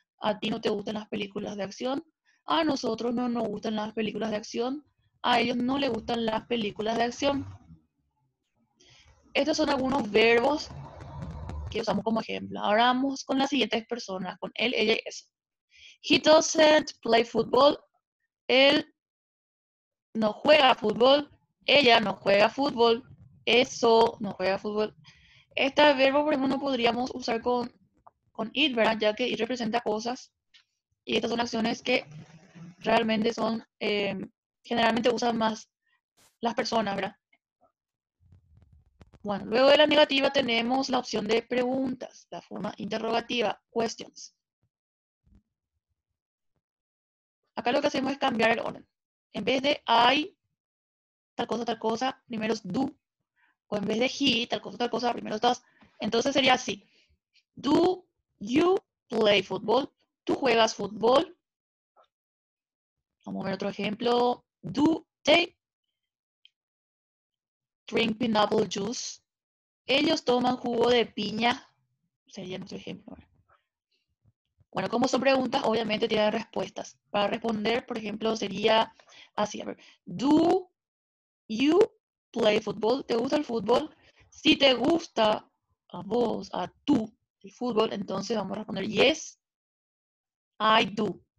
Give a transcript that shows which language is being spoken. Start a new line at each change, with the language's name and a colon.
Spanish: A ti no te gustan las películas de acción. A nosotros no nos gustan las películas de acción. A ellos no les gustan las películas de acción. Estos son algunos verbos que usamos como ejemplo. Ahora vamos con las siguientes personas. Con él, ella y eso.
English: He doesn't play football.
Spanish: Él no juega fútbol. Ella no juega fútbol. Eso no juega fútbol. Este verbo, por ejemplo, no podríamos usar con it, ¿verdad? Ya que it representa cosas. Y estas son acciones que realmente son, generalmente usan más las personas, ¿verdad? Bueno, luego de la negativa tenemos la opción de preguntas, la forma interrogativa, questions. Acá lo que hacemos es cambiar el orden. En vez de I, tal cosa, primero es do. O en vez de he, tal cosa, primero estás. Entonces sería así.
English: Do you play football?
Spanish: ¿Tú juegas fútbol? Vamos a ver otro ejemplo.
English: Do they drink pineapple juice?
Spanish: ¿Ellos toman jugo de piña? Sería nuestro ejemplo. Bueno, como son preguntas, obviamente tienen respuestas. Para responder, por ejemplo, sería así. A ver.
English: Do you play fútbol,
Spanish: ¿te gusta el fútbol? Si te gusta a vos, a tú, el fútbol, entonces vamos a responder
English: yes, I do.